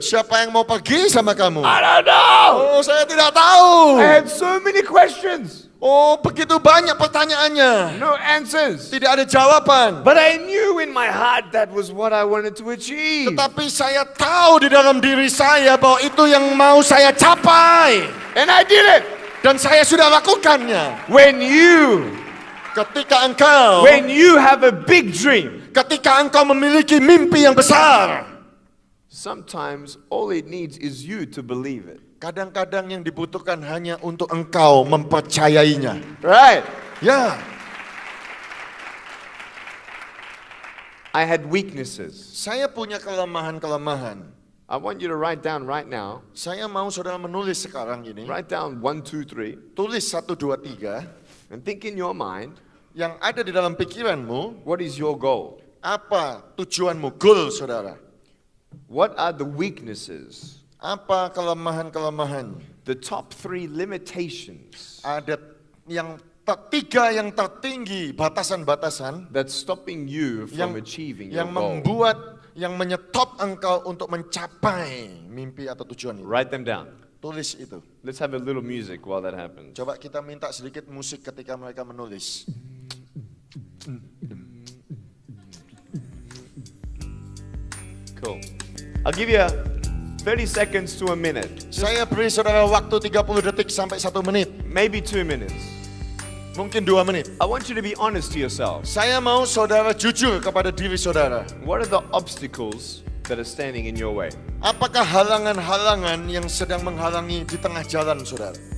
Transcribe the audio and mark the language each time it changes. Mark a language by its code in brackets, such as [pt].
[id] Siapa yang mau pergi sama kamu? [en] "I don't know." [id] Oh, saya tidak tahu. [en] I had so many questions. [id] Oh, begitu banyak pertanyaannya. [en] No answers. [id] Tidak ada jawaban. [en] But I knew in my heart that was what I wanted to achieve. [id] Tetapi saya tahu di dalam diri saya bahwa itu yang mau saya capai. [en] And I did it. [id] Dan saya sudah lakukannya. [en] When you [id] ketika engkau, [en] when you have a big dream, [id] ketika engkau memiliki mimpi yang besar, [en] sometimes all it needs is you to believe it. [id] Kadang-kadang yang dibutuhkan hanya untuk engkau mempercayainya. [en] Right? Yeah. I had weaknesses. [id] Saya punya kelemahan-kelemahan. [en] I want you to write down right now. [id] Saya mau saudara menulis sekarang ini. [en] Write down 1, 2, 3. [id] Tulis 1, 2, 3. [en] And think in your mind, [id] yang ada di dalam pikiranmu, [en] what is your goal? [id] Apa tujuanmu, goal saudara? [en] What are the weaknesses? [id] Apa kelemahan-kelemahan? [en] The top 3 limitations. [id] Ada yang tiga yang tertinggi, batasan-batasan [en] that's stopping you from yang, achieving [id] yang [en] your [id] goal. Yang membuat, yang menyetop engkau untuk mencapai mimpi atau tujuan itu. [en] Write them down. [id] Tulis itu. [en] Let's have a little music while that happens. [id] Coba kita minta sedikit musik ketika mereka menulis. [en] Cool. I'll give you a 30 seconds to a minute. [id] Saya beri saudara waktu 30 detik sampai 1 menit. [en] Maybe 2 minutes. [id] Mungkin 2 menit. [en] I want you to be honest to yourself. [id] Saya mau saudara jujur kepada diri saudara. [en] What are the obstacles that are standing in your way? [id] Apakah halangan-halangan yang sedang menghalangi di tengah jalan saudara?